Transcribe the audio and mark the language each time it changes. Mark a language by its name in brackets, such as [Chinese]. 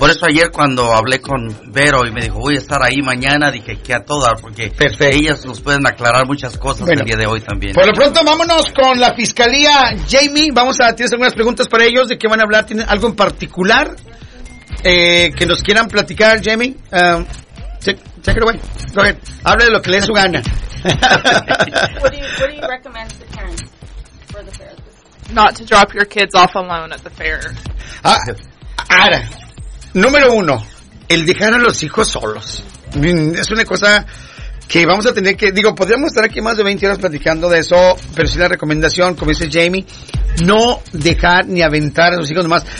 [Spanish] Por eso ayer cuando hablé con Vero y me dijo, voy a estar ahí mañana, dije que a todas, porque perfecto, ellas nos pueden aclarar muchas cosas, bueno, el día de hoy también. Por lo pronto, vámonos con la fiscalía. Jamie, tienes algunas preguntas para ellos, ¿de qué van a hablar? ¿Tienen algo en particular que nos quieran platicar, Jamie? [English] Check it away. Go ahead. [Spanish] Hable de lo que le dé su gana. [English] What do you recommend to parents for the fair? Not to drop your kids off alone at the fair. [Spanish] Ahora, número uno, el dejar a los hijos solos. Es una cosa que vamos a tener que, digo, podríamos estar aquí más de 20 horas platicando de eso, pero sí la recomendación, como dice Jamie, no dejar ni aventar a los hijos nomás.